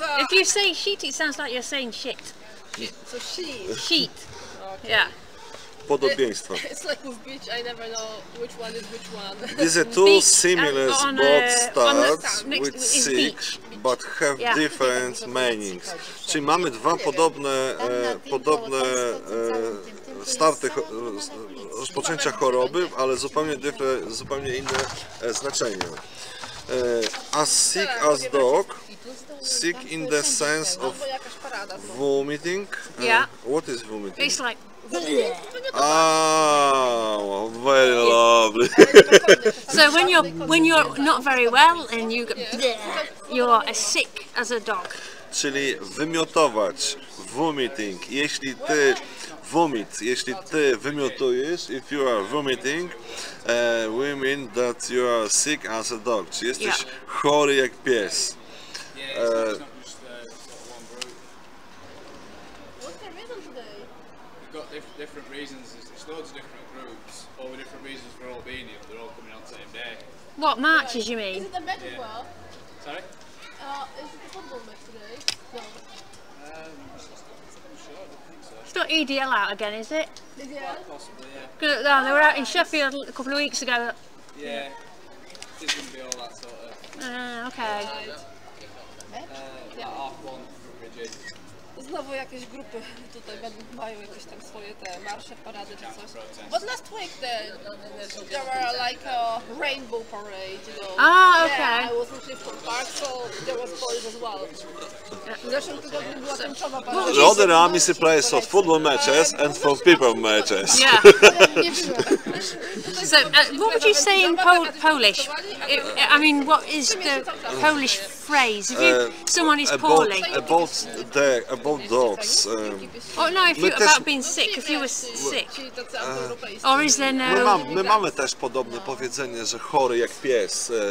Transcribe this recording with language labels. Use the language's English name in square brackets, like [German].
[English] if you say sheet, it sounds like you're saying shit. Sheet. So sheet. Sheet. Okay. Yeah. [Polish] Podobieństwo. [English] It's like with beach. I never know which one is which one. These are two similar both starts with sick, but have yeah. different meanings. [Polish] Czyli mamy dwa podobne starty rozpoczęcia choroby, ale zupełnie inne znaczenie. [English] As sick as dog, sick in the sense of vomiting. Yeah. What is vomiting? It's like. Ah, well, very lovely. So when you're not very well and you go, you're as sick as a dog. [Polish] Czyli wymiotować, vomiting. Jeśli ty [English] vomit, [Polish] jeśli ty wymiotujesz, [English] if you are vomiting, we mean that you are sick as a dog. [Polish] Czy jesteś chory jak pies. [English] Different reasons, there's loads of different groups, all the different reasons for Albania, they're all coming on the same day. What marches, you mean? Is it the medical? Yeah. Sorry? Is it the football match today? No. I'm sure, I don't think so. It's not EDL out again, is it? Yeah. Possibly, yeah. No, they were out in Sheffield a couple of weeks ago. Yeah. It didn't be all that sort of. Okay. Yeah. Half one from Bridget. [Polish] Znowu jakieś grupy tutaj mają jakieś tam swoje te marsze, parady czy coś. [English] But last week there were like a rainbow parade, you know. Ah, okay. Yeah, I was in Clifton Park, so there was boys as well. [Polish] W zeszłym tygodniu była tęczowa parada. [English] The other army plays for football matches and for people matches. So, what would you say in Polish? I mean, what is the Polish phrase? If someone is poorly. About dogs. Oh no, if you're about being sick, if you were sick. Or is there no. [Polish] My mamy też podobne powiedzenie, że chory jak pies.